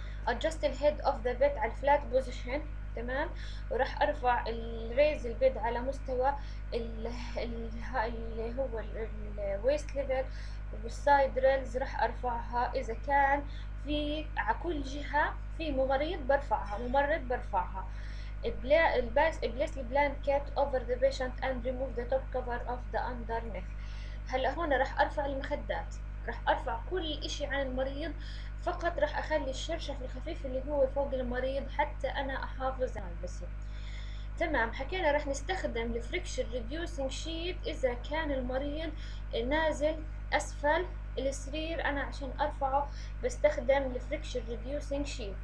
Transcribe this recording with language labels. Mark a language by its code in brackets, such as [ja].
[en] adjust the head of the bed [ar] على flat position تمام، وراح ارفع ال [en] raise the bed [ar] على مستوى اللي هو ال [en] waist level، [ar] والسايد ريلز راح ارفعها اذا كان في على كل جهة في ممرض برفعها، ممرض برفعها. [en] Place the blanket over the patient and remove the top cover of the under neck. [ar] هلا هون راح ارفع المخدات، راح ارفع كل شيء عن المريض، فقط راح اخلي الشرشف الخفيف اللي هو فوق المريض حتى انا احافظ على البسي. تمام، حكينا راح نستخدم الفريكشن ريديوسنج شيت اذا كان المريض نازل اسفل السرير، انا عشان ارفعه بستخدم الفريكشن ريديوسنج شيت.